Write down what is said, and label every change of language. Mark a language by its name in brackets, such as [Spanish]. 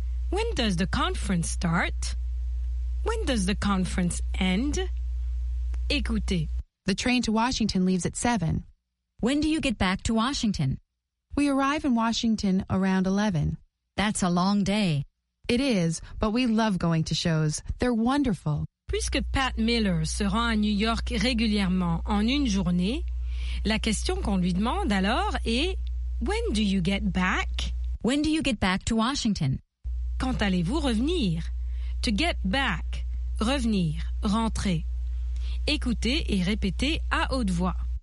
[English] When does the conference start? When does the conference end? [French] Écoutez. [English] The train to Washington leaves at 7. When do you get back to Washington? We arrive in Washington around 11. That's a long day. It is, but we love going to shows. They're wonderful. [French] Puisque Pat Miller se rend à New York régulièrement en une journée, la question qu'on lui demande alors est [English] When do you get back? When do you get back to Washington? [French] Quand allez-vous revenir? [English] To get back, [French] revenir, rentrer. Écoutez et répétez à haute voix.